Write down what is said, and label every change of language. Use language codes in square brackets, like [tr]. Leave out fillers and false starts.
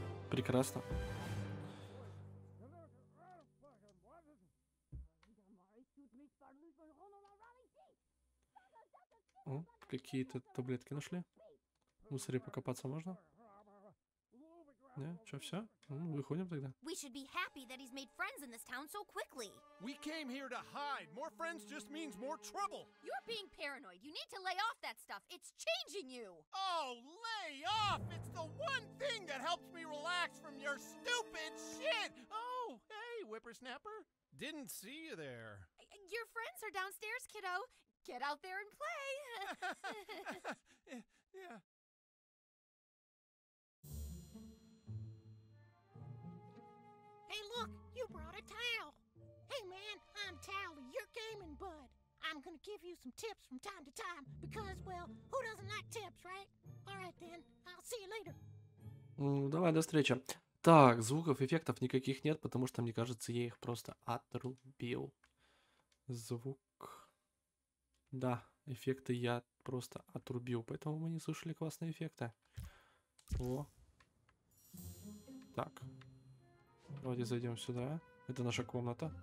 [ru] Прекрасно. О, какие-то таблетки нашли. В мусоре покопаться можно? Не, что, все? Ну, выходим тогда. [en] We should be happy that he's made friends in this town so quickly. We came here to hide. More friends just means more trouble. You're being paranoid. You need to lay off that stuff. It's changing you. Oh, lay off! It's the one thing that helps me relax from your stupid shit. Oh, hey, whippersnapper. Didn't see you there. Your friends are downstairs, kiddo. Get out there and play. Yeah. Hey, look, you brought a towel. Hey, man, I'm Tally, your gaming bud. I'm gonna give you some tips from time to time, because, well, who doesn't like tips, right? All right, then, I'll see you later. [ru] Ну, давай, до встречи. Так, звуков, эффектов никаких нет, потому что, мне кажется, я их просто отрубил. Звук. Да, эффекты я просто отрубил, поэтому мы не слышали классные эффекты. О. Так. Давайте зайдем сюда. Это наша комната.